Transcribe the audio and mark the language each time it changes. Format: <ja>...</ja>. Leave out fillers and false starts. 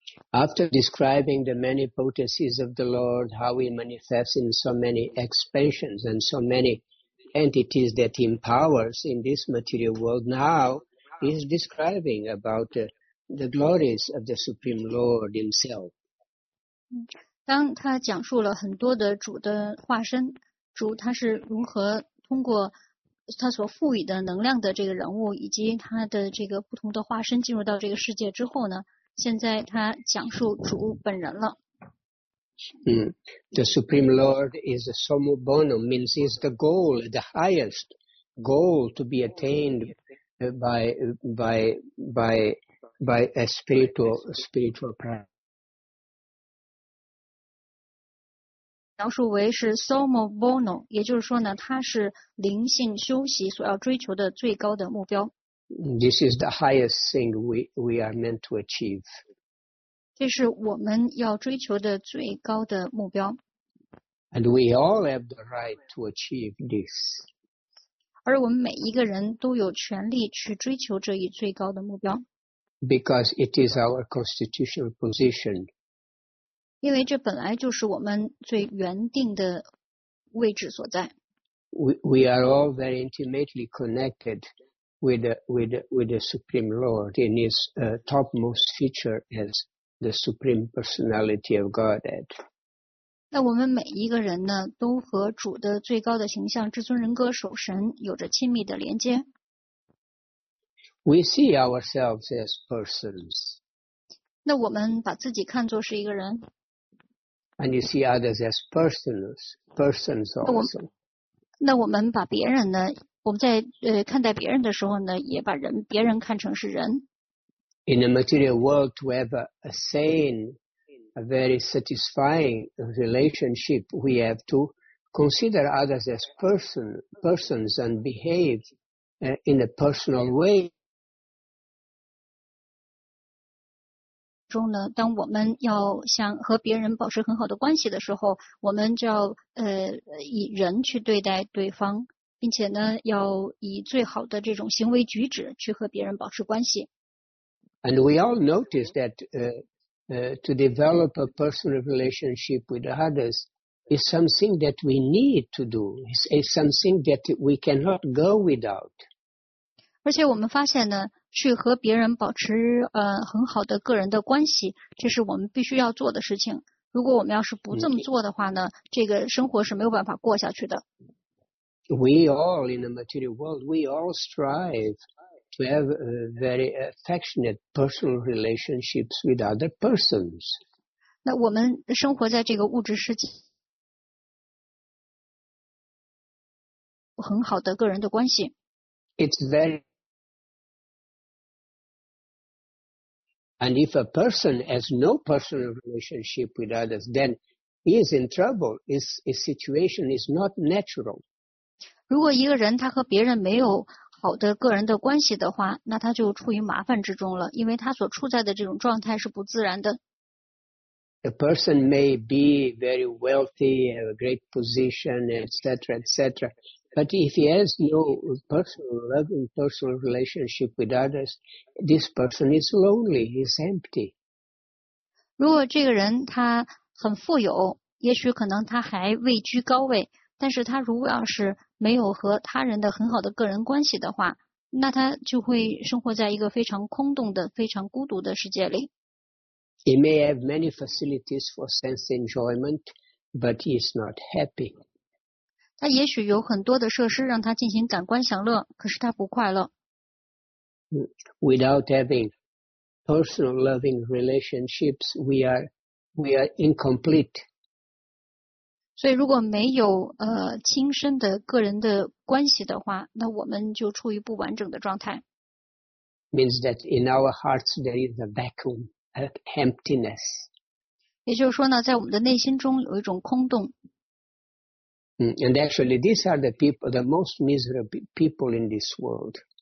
<en>After describing the many potencies of the Lord, how he manifests in so many expansions and so many entities that he empowers in this material world, now he is describing about the glories of the Supreme Lord himself.</en> <zh>当他讲述了很多的主的化身，主他是如何通过他所赋予的能量的这个人物以及他的这个不同的化身进入到这个世界之后呢？现在他讲述主本人了。</zh> <en>The Supreme Lord is a Somu Bonum, means he is the goal, the highest goal to be attained by a spiritual practice.</en> <zh>描述为是 somo bono， 也就是说呢，它是灵性修习所要追求的最高的目标。</zh> <en>This is the highest thing we are meant to achieve。</en> <zh>这是我们要追求的最高的目标。</zh> <en>And we all have the right to achieve this。</en> <zh>而我们每一个人都有权利去追求这一最高的目标。</zh> <en>Because it is our constitutional position。</en> <zh>因为这本来就是我们最原定的位置所在。</zh> <en>We are all very intimately connected with the Supreme Lord in his topmost feature as the Supreme Personality of Godhead.</en> <zh>那我们每一个人呢，都和主的最高的形象至尊人格首神有着亲密的连接。</zh> <en>We see ourselves as persons.</en> <zh>那我们把自己看作是一个人。</zh> <en>And you see others as persons also.</en> <zh>那我们把别人呢，我们在看待别人的时候呢，也把人别人看成是人。</zh> <en>In a material world, to have a sane, a very satisfying relationship, we have to consider others as persons and behave in a personal way.</en> <zh>中呢，当我们要想和别人保持很好的关系的时候，我们就要以人去对待对方，并且呢，要以最好的这种行为举止去和别人保持关系。</zh> <en>And we all notice that to develop a personal relationship with others is something that we need to do. It's something that we cannot go without.</en> <zh>而且我们发现呢。去和别人保持很好的个人的关系，这是我们必须要做的事情。如果我们要是不这么做的话呢，这个生活是没有办法过下去的。</zh> <en>We all in the material world, we all strive to have very affectionate personal relationships with other persons.</en> <zh>那我们生活在这个物质世界，很好的个人的关系。</zh> <en>It's very. And if a person has no personal relationship with others, then he is in trouble. His situation is not natural.</en> <zh>如果一个人他和别人没有好的个人的关系的话，那他就处于麻烦之中了，因为他所处在的这种状态是不自然的。</zh> <en>A person may be very wealthy, have a great position, etc. But if he has no personal, loving personal relationship with others, this person is lonely, he's empty.</en> <zh>如果这个人他很富有，也许可能他还位居高位，但是他如果要是没有和他人的很好的个人关系的话，那他就会生活在一个非常空洞的、非常孤独的世界里。</zh> <en>He may have many facilities for sense enjoyment, but he is not happy.</en> <zh>他也许有很多的设施让他进行感官享乐，可是他不快乐。</zh> <en>Without having personal loving relationships, we are incomplete.</en> <zh>所以如果没有亲身的个人的关系的话，那我们就处于不完整的状态。</zh> <en>Means that in our hearts there is a vacuum, a emptiness.</en> <zh>也就是说呢，在我们的内心中有一种空洞。</zh> <en>And actually, these are the people, the most miserable people in this world.</en>